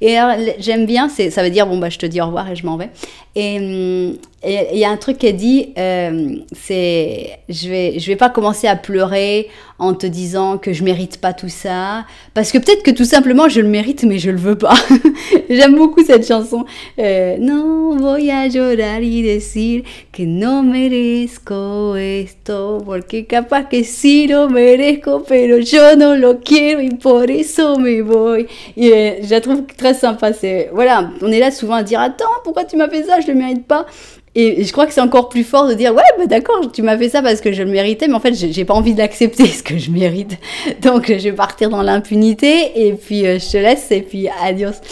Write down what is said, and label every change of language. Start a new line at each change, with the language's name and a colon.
French: Et alors, j'aime bien, ça veut dire « bon, bah, je te dis au revoir et je m'en vais ». Et il y a un truc qui est dit, c'est « je vais pas commencer à pleurer en te disant que je mérite pas tout ça, parce que peut-être que tout simplement je le mérite, mais je le veux pas ». J'aime beaucoup cette chanson.
Spanish: « No voy a llorar y decir que no merezco esto, porque capaz que sí lo merezco, pero yo no lo quiero y por eso me voy ».
French: Je la trouve très sympa. Voilà, on est là souvent à dire « attends, pourquoi tu m'as fait ça ? Je le mérite pas », et je crois que c'est encore plus fort de dire ouais bah d'accord, tu m'as fait ça parce que je le méritais, mais en fait j'ai pas envie d'accepter ce que je mérite, donc je vais partir dans l'impunité et puis je te laisse et puis adios.